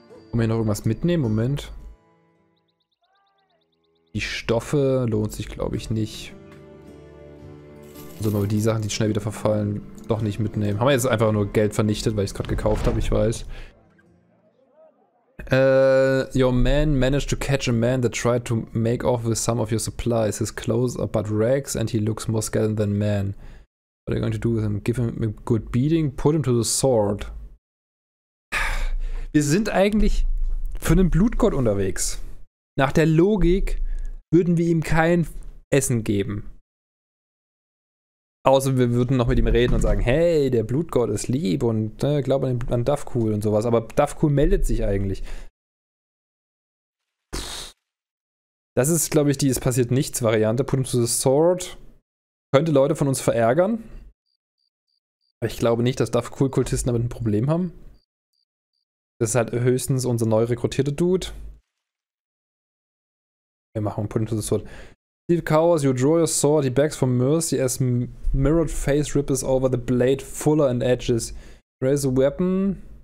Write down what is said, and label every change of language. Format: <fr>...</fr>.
<de>Wollen wir hier noch irgendwas mitnehmen? Moment. Die Stoffe lohnt sich, glaube ich, nicht. Sollen wir die Sachen, die schnell wieder verfallen, doch nicht mitnehmen. Haben wir jetzt einfach nur Geld vernichtet, weil ich es gerade gekauft habe, ich weiß.</de> <en>Your man managed to catch a man that tried to make off with some of your supplies. His clothes are but rags and he looks more skeleton than man. What are you going to do with him? Give him a good beating? Put him to the sword.</en> <de>Wir sind eigentlich für einen Blutgott unterwegs. Nach der Logik würden wir ihm kein Essen geben. Außer wir würden noch mit ihm reden und sagen, hey, der Blutgott ist lieb und glaub an Dafkul und sowas. Aber Dafkul meldet sich eigentlich. Das ist, glaube ich, die Es-passiert-nichts-Variante.</de> <en>Put him to the sword.</en> <de>Könnte Leute von uns verärgern. Aber ich glaube nicht, dass Dafkul-Kultisten damit ein Problem haben. Das ist halt höchstens unser neu rekrutierter Dude. Wir machen</de> <en>Put him to the sword. Steve Cowers, you draw your sword, he begs for mercy as mirrored face ripples over the blade fuller and edges. Raise a weapon.</en>